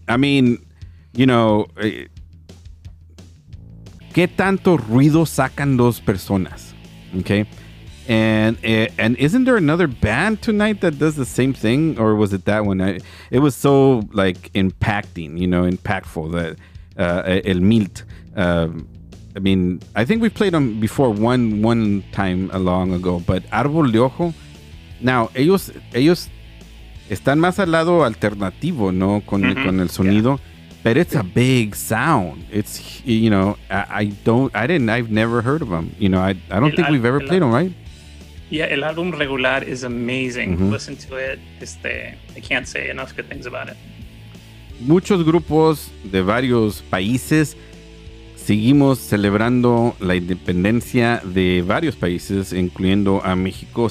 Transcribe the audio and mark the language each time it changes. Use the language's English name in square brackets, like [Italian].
[English] I mean, [Spanish] ¿qué tanto ruido sacan dos personas? [English] Okay. And isn't there another band tonight that does the same thing? Or was it that one? It was so like impacting, impactful. El Milt. I think we've played them before one time long ago. But Árbol de Ojo. Now, [Spanish] ellos están más al lado alternativo, ¿no? Con el sonido. [English] Yeah. But it's a big sound. It's, I've never heard of them. We've ever played them, right? Yeah, el álbum regular is amazing. Mm-hmm. Listen to it. I can't say enough good things about it. [Spanish] Muchos grupos de varios países seguimos celebrando la independencia de varios países, incluyendo a México.